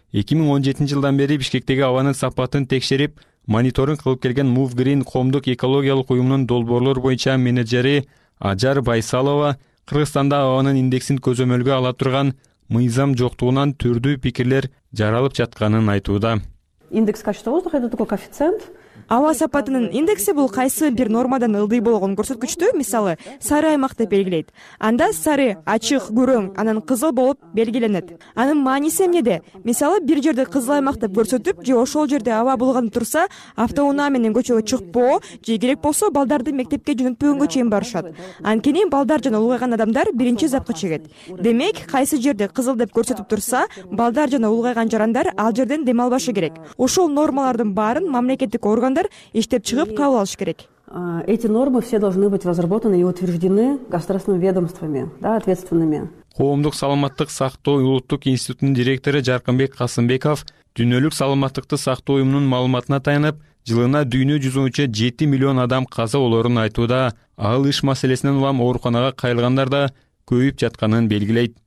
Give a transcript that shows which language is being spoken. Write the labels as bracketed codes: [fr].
[ky] 2017 жылдан бери Бишкектеги абанын сапатын текшерип, мониторинг кылып келген Move Green коомдук экологиялык уюмунун долбоорлор боюнча менеджери Ажар Байсалова Кыргызстанда абанын индексин көзөмөлгө ала турган мыйзам жоктугунан түрдүү пикирлер жаралып жатканын айтууда. [ru] Индекс качества воздуха это такой коэффициент. [ky] Аба сапатынын индекси бул кайсы бир нормадан ылдый болгон көрсөткүчтү, мисалы, сары аймакты белгилейт. Анда сары, ачык, күрөң, анан кызыл болуп белгиленет. Анын мааниси эмнеде? Мисалы, бир жерде кызыл аймак деп көрсөтүп, же ошол жерде аба булганып турса, автоунаа менен көчөгө чыкпоо, же керек болсо балдарды мектепке жөнөтпөгөнгө чейин барышат. Анткени балдар жана улгайган адамдар биринчи запкы чегет. Демек, кайсы жерде кызыл деп көрсөтүп турса, балдар жана улгайган жарандар ал жерден дем албашы керек. Ошол нормалардын баарын мамлекеттик орган иштеп чыгып кабыл алыш керек. [ru] Эти нормы все должны быть разработаны и утверждены государственными ведомствами, да, ответственными. [ky] Коомдук саламаттык сактоо улуттук институтунун директору Жаркынбек Касымбеков дүйнөлүк саламаттыкты сактоо уюмунун маалыматына таянып, жылына дүйнө жүзүнчө 7 миллион адам каза болорун айтууда, ал иш маселесинен улам ооруканага кайылгандар да көбөйүп жатканын белгилейт.